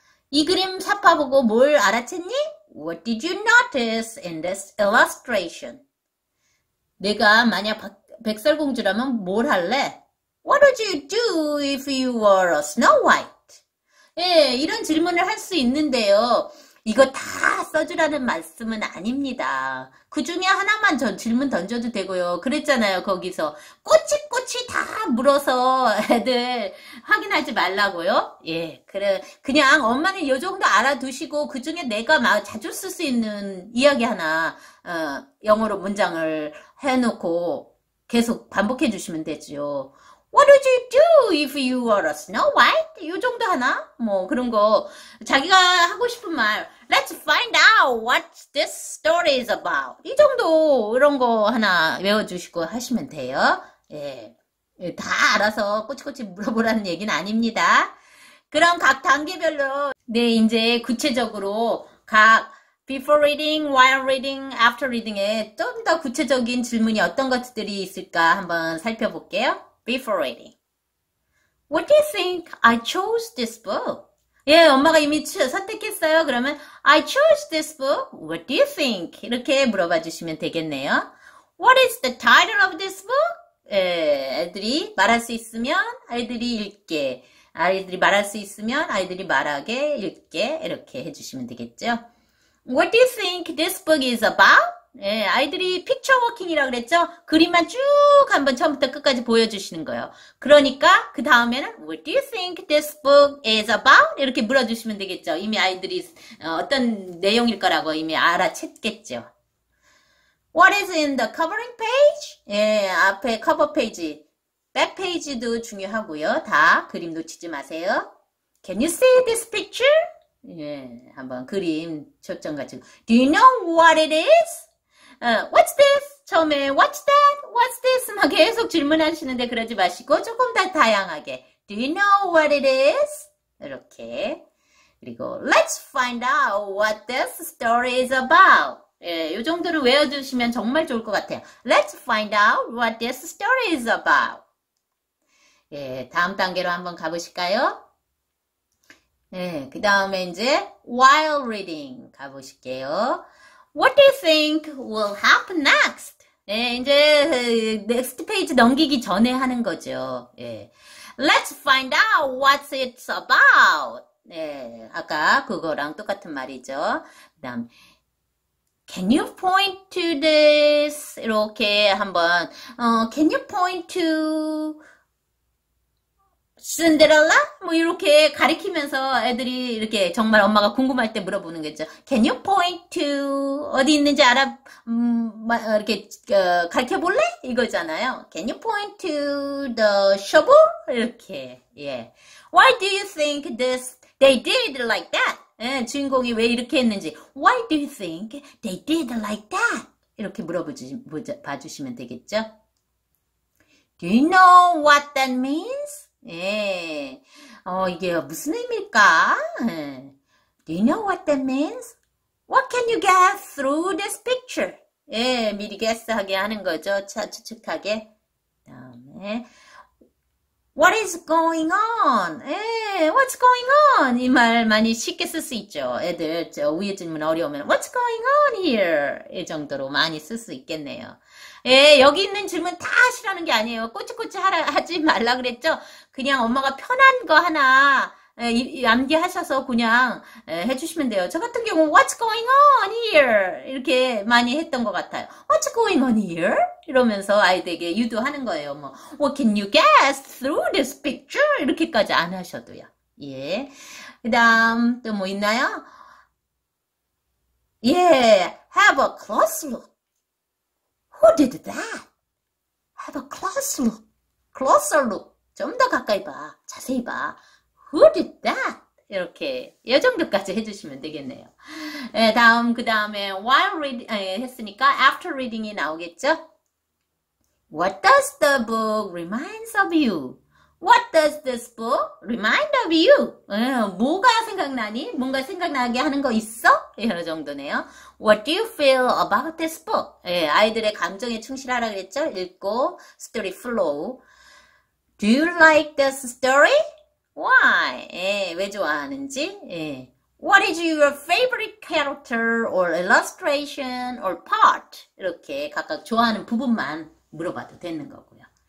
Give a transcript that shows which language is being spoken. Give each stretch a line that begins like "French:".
Korean: 이 그림 삽화 보고 뭘 알아챘니?
English: What did you notice in this illustration?
Korean: 내가 만약 백설공주라면 뭘 할래?
English: What would you do if you were a Snow White?
Korean: 예, 이런 질문을 할수 있는데요. 이거 다 써주라는 말씀은 아닙니다. 그 중에 하나만 전 질문 던져도 되고요. 그랬잖아요, 거기서. 꼬치꼬치 다 물어서 애들 확인하지 말라고요? 예, 그래. 그냥 엄마는 요 정도 알아두시고, 그 중에 내가 막 자주 쓸수 있는 이야기 하나, 영어로 문장을 해놓고 계속 반복해 주시면 되죠.
English: What would you do if you were a Snow White?
Korean: 요 정도 하나? 뭐 그런 거 자기가 하고 싶은 말.
English: Let's find out what this story is about.
Korean: 이 정도 이런 거 하나 외워주시고 하시면 돼요. 예, 다 알아서 꼬치꼬치 물어보라는 얘기는 아닙니다. 그럼 각 단계별로 네 이제 구체적으로 각
English: Before reading, while reading, after reading
Korean: 에 좀더 구체적인 질문이 어떤 것들이 있을까 한번 살펴볼게요. Before reading.
English: What do you think I chose this book?
Korean: 예, 엄마가 이미 선택했어요. 그러면
English: I chose this book. What do you think?
Korean: 이렇게 물어봐 주시면 되겠네요.
English: What is the title of this book?
Korean: 예, 애들이 말할 수 있으면 아이들이 읽게. 아이들이 말할 수 있으면 아이들이 말하게 읽게. 이렇게 해주시면 되겠죠.
English: What do you think this book is about?
Korean: 예, 아이들이 picture walking이라고 그랬죠? 그림만 쭉 한번 처음부터 끝까지 보여주시는 거예요. 그러니까 그 다음에는
English: What do you think this book is about?
Korean: 이렇게 물어주시면 되겠죠. 이미 아이들이 어떤 내용일 거라고 이미 알아챘겠죠.
English: What is in the covering page?
Korean: 예, 앞에
English: cover page, back page도
Korean: 중요하고요. 다 그림 놓치지 마세요.
English: Can you see this picture?
Korean: 예, 한번 그림 초점 가지고.
English: Do you know what it is? What's this?
Korean: 처음에
English: What's that? What's this?
Korean: 막 계속 질문하시는데 그러지 마시고 조금 더 다양하게
English: Do you know what it is?
Korean: 이렇게 그리고
English: let's find out what this story is about.
Korean: 예, 요 정도를 외워두시면 정말 좋을 것 같아요.
English: Let's find out what this story is about.
Korean: 예, 다음 단계로 한번 가보실까요? 예, 그 다음에 이제 while reading 가보실게요.
English: What do you think will happen next?
Korean: 예, 이제
English: next page
Korean: 넘기기 전에 하는 거죠. 예.
English: Let's find out what it's about.
Korean: 네, 아까 그거랑 똑같은 말이죠. 그다음,
English: Can you point to this?
Korean: 이렇게 한번,
English: Can you point to Cinderella?
Korean: 뭐 이렇게 가리키면서 애들이 이렇게 정말 엄마가 궁금할 때 물어보는 거죠.
English: Can you point to
Korean: 어디 있는지 이렇게 가르쳐 볼래? 이거잖아요. Can you point to the shovel? 이렇게, 예.
English: Why do you think this? They did it like that.
Korean: 예, 주인공이 왜 이렇게 했는지.
English: Why do you think they did it like that?
Korean: 이렇게 봐주시면 되겠죠?
English: Do you know what that means?
Korean: 예, 이게 무슨 의미일까? 예.
English: Do you know what that means? What can you guess through this picture?
Korean: 예, 미리 guess하게 하는 거죠. 추측하게. 다음에.
English: What is going on? 에, what's going on?
Korean: 이말 많이 쉽게 쓸수 있죠. 애들, 저 위에 질문 어려우면,
English: What's going on here?
Korean: 이 정도로 많이 쓸수 있겠네요. 예, 여기 있는 질문 다 하시라는 게 아니에요. 꼬치꼬치 하지 말라 그랬죠? 그냥 엄마가 편한 거 하나, 암기하셔서 그냥 해주시면 돼요. 저 같은 경우는
English: What's going on here?
Korean: 이렇게 많이 했던 것 같아요.
English: What's going on here?
Korean: 이러면서 아이들에게 유도하는 거예요.
English: 뭐, What can you guess through this picture?
Korean: 이렇게까지 안 하셔도요. 예. 그 다음 또뭐 있나요? 예.
English: Have a close look. Who did that? Have a close look. Closer look.
Korean: 좀더 가까이 봐. 자세히 봐.
English: Who did that?
Korean: 이렇게 이 정도까지 해주시면 되겠네요. 예, 다음 그 다음에 while reading 했으니까 after reading이 나오겠죠?
English: What does the book reminds of you? What does this book remind of you?
Korean: 뭐가 생각나니? 뭔가 생각나게 하는 거 있어? 이런 정도네요.
English: What do you feel about this book?
Korean: 예, 아이들의 감정에 충실하라 그랬죠? 읽고
English: story flow. Do you like this story? Why?
Korean: 예, 왜 좋아하는지? 예.
English: What is your favorite character or illustration or part?
Korean: 이렇게 각각 좋아하는 부분만 물어봐도 되는 거고요.